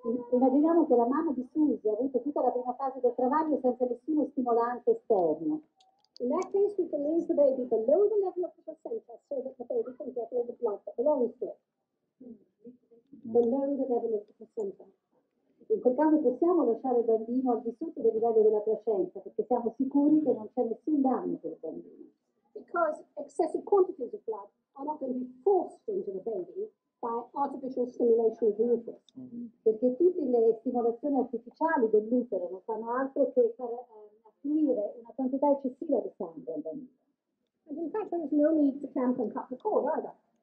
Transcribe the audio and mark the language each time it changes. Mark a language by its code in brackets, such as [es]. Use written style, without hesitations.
[it] Immaginiamo che la mamma di Susie ha avuto tutta la prima fase del travaglio senza nessuno stimolante esterno. [en] In that case we can raise the baby below the level of the placenta so that the baby can get all the blood that belongs to it. Below the level of the placenta. [it] In quel caso possiamo lasciare il bambino al di sotto del livello della placenta perché siamo sicuri che non c'è nessun danno per il bambino. [en] Because excessive quantities of blood are not going to be forced into the baby by artificial stimulation of the uterus. [it] Perché tutte le stimolazioni artificiali dell'utero non fanno altro che far affluire una quantità eccessiva di sangue al bambino. [en] And in fact there is no need to clamp and cut the cord either.